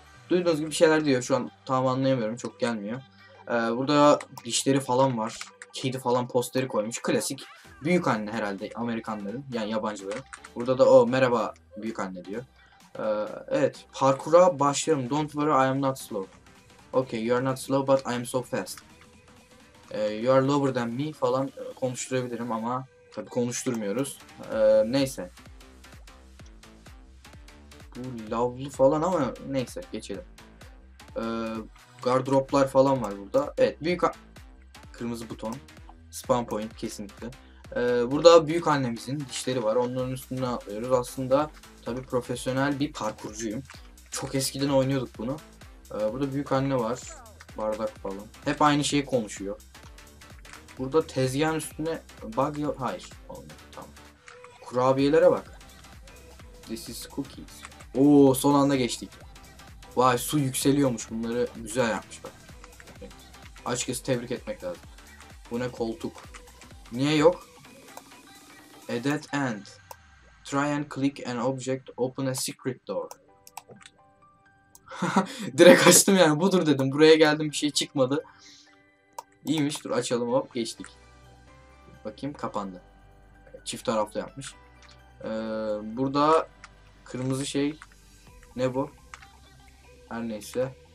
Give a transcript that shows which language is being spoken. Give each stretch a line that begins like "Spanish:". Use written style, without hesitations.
Turkish: Duyduğunuz gibi bir şeyler diyor, şu an tam anlayamıyorum, çok gelmiyor. Burada dişleri falan var. Kedi falan posteri koymuş, klasik. Büyük anne herhalde Amerikanların, yani yabancıların. Burada da o merhaba büyük anne diyor. Evet, parkura başlıyorum.
English: Don't worry, I am not slow. Okay, you are not slow but I am so fast. You are lower than me
Turkish: falan konuşturabilirim ama tabii konuşturmuyoruz. Neyse. Bu lovely falan ama neyse geçelim. Gardıroplar falan var burada. Evet, büyük kırmızı buton. Spawn point kesinlikle. Burada büyük annemizin dişleri var. Onların üstünden atlıyoruz. Aslında tabii profesyonel bir parkurcuyum. Çok eskiden oynuyorduk bunu. Burada büyük anne var. Bardak falan. Hep aynı şeyi konuşuyor. Burada tezgahın üstüne bug yok. Hayır. Olmadı. Tamam. Kurabiyelere bak.
English: This is cookies.
Turkish: Oo, son anda geçtik. Vay, su yükseliyormuş. Bunları güzel yapmış bak. Evet. Açıkçası tebrik etmek lazım. Bu ne koltuk? Niye yok?
English: A dead end. Try and click an object, open a secret door.
Turkish: Direkt açtım yani, budur dedim. Buraya geldim, bir şey çıkmadı. İyiymiş, dur açalım, hop geçtik. Bakayım, kapandı. Çift taraflı yapmış. Burada kırmızı şey ne bu? Her neyse.